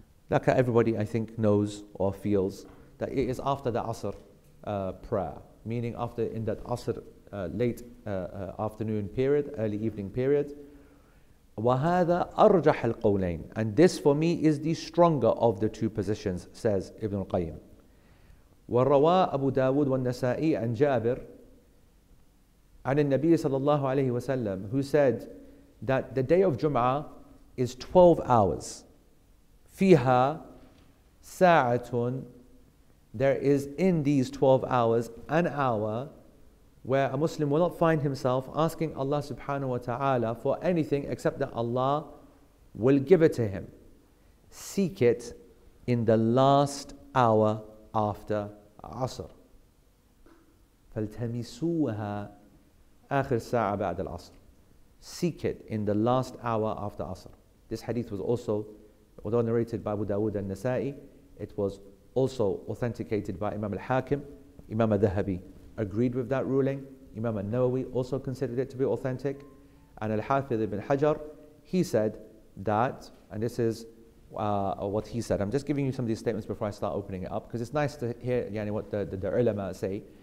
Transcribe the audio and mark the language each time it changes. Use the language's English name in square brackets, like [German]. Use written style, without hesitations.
[English] Like everybody, I think, knows or feels that it is after the Asr prayer, meaning after in that Asr late afternoon period, early evening period, [Arabic] وَهَذَا أَرْجَحَ الْقَوْلَيْنِ, [English] and this for me is the stronger of the two positions, says Ibn al-Qayyim. [Arabic] وَالرَّوَىٰ أَبُو دَاوُدُ وَالنَّسَائِي عَنْ جَابِرٍ عَنِ النَّبِيِّ صَلَى اللَّهُ عَلَيْهِ وَسَلَّمْ, [English] who said that the day of Jum'ah is 12 hours. [Arabic] فِيهَا سَاعَةٌ, [English] there is in these 12 hours an hour where a Muslim will not find himself asking Allah subhanahu wa ta'ala for anything except that Allah will give it to him. Seek it in the last hour after Asr. [Arabic] فالتمسوها آخر ساعة بعد العصر. [English] Seek it in the last hour after Asr. This hadith was also, although narrated by Abu Dawud and Nasa'i, it was also authenticated by Imam al-Hakim. Imam al-Dhahabi agreed with that ruling. Imam al-Nawawi also considered it to be authentic. And al-Hafidh ibn Hajar, he said that, and this is what he said. I'm just giving you some of these statements before I start opening it up, because it's nice to hear yani, what the ulama say.